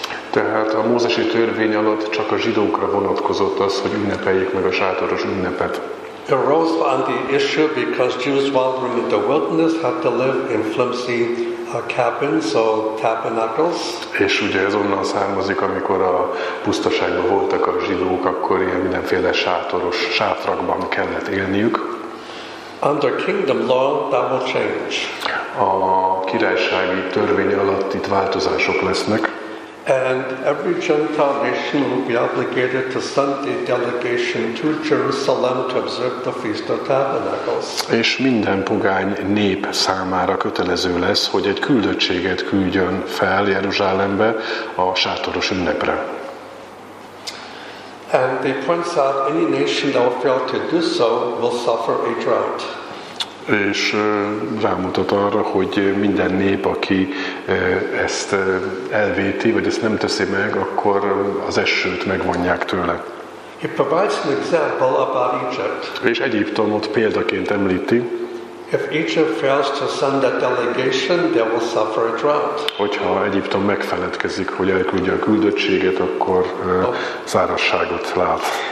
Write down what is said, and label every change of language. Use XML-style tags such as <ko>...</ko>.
<hu>Tehát a mózesi törvény alatt csak a zsidókra vonatkozott az, hogy ünnepeljék meg a sátoros ünnepet.</hu> <en>It arose on the issue because Jews wandering in the wilderness had to live in flimsy cabins or tabernacles.</en> <hu>És ugye ez onnan származik, amikor a pusztaságban voltak a zsidók, akkor ilyen mindenféle sátoros sátrakban kellett élniük.</hu> <en>Under kingdom law, that will change.</en> <hu>A királysági törvény alatt itt változások lesznek.</hu> <en>And every Gentile nation will be obligated to send a delegation to Jerusalem to observe the Feast of Tabernacles.</en> <hu>És minden pogány nép számára kötelező lesz, hogy egy küldöttséget küldjön fel Jeruzsálembe a sátoros ünnepre.</hu> <en>And they point out any nation that will fail to do so will suffer a drought.</en> <hu>És rámutat arra, hogy minden nép, aki ezt elvéti, vagy ezt nem teszi meg, akkor az esőt megvonják tőle.</hu> <en>He provides an example about Egypt.</en> <hu>És Egyiptomot példaként említi.</hu> <en>If Egypt fails to send that delegation, they will suffer a drought.</en> <hu>Hogyha Egyiptom megfeledkezik, hogy elküldje a küldöttséget, akkor szárazságot lát.</hu>